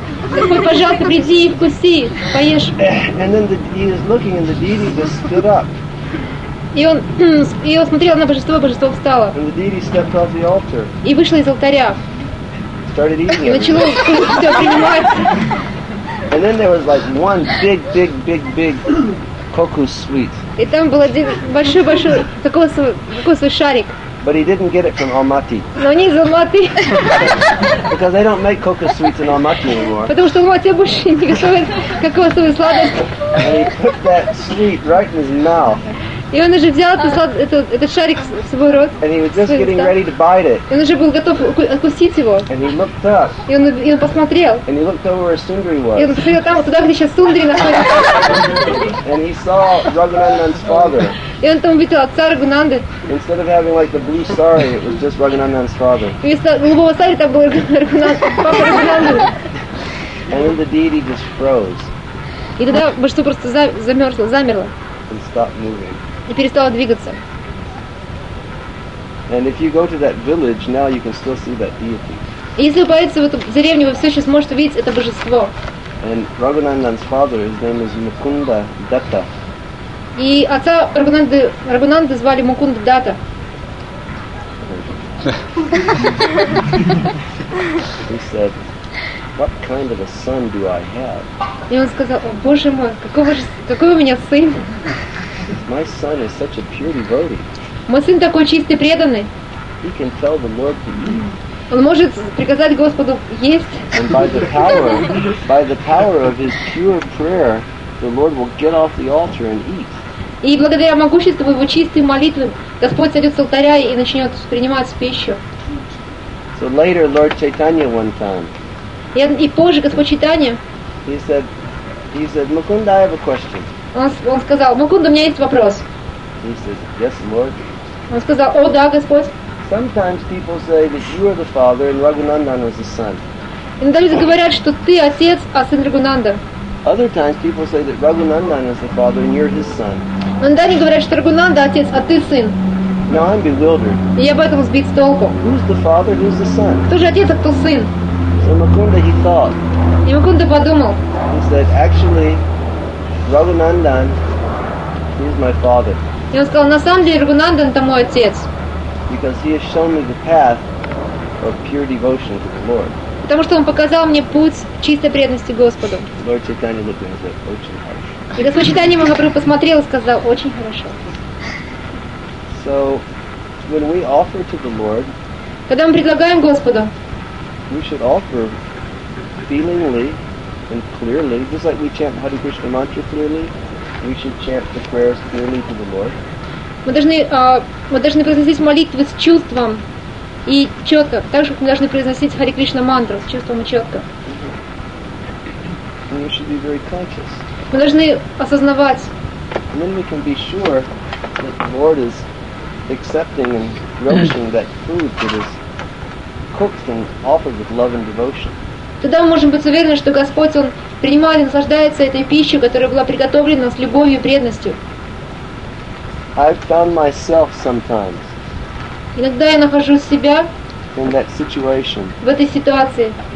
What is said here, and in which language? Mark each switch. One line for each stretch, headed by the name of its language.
Russian: Господь, пожалуйста, приди и вкуси, поешь.
English: And then he is looking, and the deity just stood up.
Russian: И он смотрел на божество, божество встало.
English: And the deity stepped off the altar.
Russian: И вышло из алтаря.
English: Started eating.
Russian: И начало все принимать.
English: And then there was like one big cocoa sweet.
Russian: И там был один большой кокосовый шарик.
English: But he didn't get it from Almaty.
Russian: Но не из Алматы.
English: Because they don't make cocoa sweets in Almaty anymore.
Russian: Потому что в Алмате больше не готовят кокосовые сладости.
English: And he put that sweet right in his mouth.
Russian: И он уже взял этот шарик в свой рот.
English: And he was just getting ready to bite it.
Russian: И он уже был готов откусить его.
English: And he looked up.
Russian: И он посмотрел.
English: And he looked over where Sundri was.
Russian: И он посмотрел там, туда, где сейчас Сундри находится.
English: And he saw Raghunandan's father.
Russian: И он там увидел отца Рагунанды.
English: Instead of having like the blue sari, it was just Raghunandan's father.
Russian: Вместо голубого сари там был Рагунанда.
English: And then the deity just froze.
Russian: И тогда божество просто замерзло, замерло.
English: And stopped moving.
Russian: И перестало двигаться.
English: And if you go to that village now, you can still see that deity.
Russian: И если вы поедете в эту деревню, вы все еще сможете увидеть это божество.
English: And Raghunandan's father, his name is Mukunda Datta.
Russian: И отца Рагунанды звали Мукунда Датта.
English: He said, "What kind of a son do I have?"
Russian: И он сказал: "О, Боже мой, какой у меня сын!"
English: My son is such a pure devotee.
Russian: Мой сын такой чистый, преданный.
English: He can tell the Lord to eat.
Russian: Он может приказать Господу есть.
English: And by the power of his pure prayer, the Lord will get off the altar and eat.
Russian: И благодаря могуществу его чистой молитвы Господь сойдет с алтаря и начнет принимать пищу.
English: So later, Lord Chaitanya one time.
Russian: И позже Господь Чайтанья.
English: He said, Mukunda, I have a question.
Russian: Он сказал: Мукунда, у меня есть вопрос.
English: He said, yes, Lord.
Russian: Он сказал: О, да, Господь.
English: Sometimes people say that you are the father and Raghunandan was the son.
Russian: Иногда люди говорят, что ты отец, а сын Рагунанда.
English: Other times people say that Raghunandan is the father and you're his son.
Russian: Иногда они говорят, что Рагунанда отец, а ты сын.
English: Now I'm bewildered.
Russian: Я об этом сбит с толку.
English: Who's the father? Who's the son?
Russian: Кто же отец, а кто сын?
English: So Mukunda, he thought.
Russian: И Мукунда подумал.
English: He said, actually, Raghunandan is my father.
Russian: И он сказал: на самом деле Рагунандан — это мой отец.
English: Because he has shown me the path of pure devotion to the Lord.
Russian: Потому что он показал мне путь чистой преданности Господу.
English: Lord Chaitanya looked at him and said,
Russian: очень хорошо. И Господь Чайтанья Махапрабху посмотрел и сказал: очень хорошо.
English: So, when we offer to the Lord,
Russian: когда мы предлагаем Господу,
English: we should offer feelingly and clearly, just like we chant Hare Krishna mantra clearly, we should chant the prayers clearly to the Lord.
Russian: Мы должны произносить молитвы с чувством. И четко, так же, как мы должны произносить Хари Кришна мантру с чувством и четко.
English: And we should be very conscious.
Russian: Мы должны осознавать.
English: And then we can be sure that the Lord is accepting and relishing that food that is cooked and offered with love and devotion.
Russian: Тогда мы можем быть уверены, что Господь, Он принимает и наслаждается этой пищей, которая была приготовлена с любовью и преданностью.
English: I've found myself sometimes.
Russian: Иногда я нахожу себя в этой ситуации.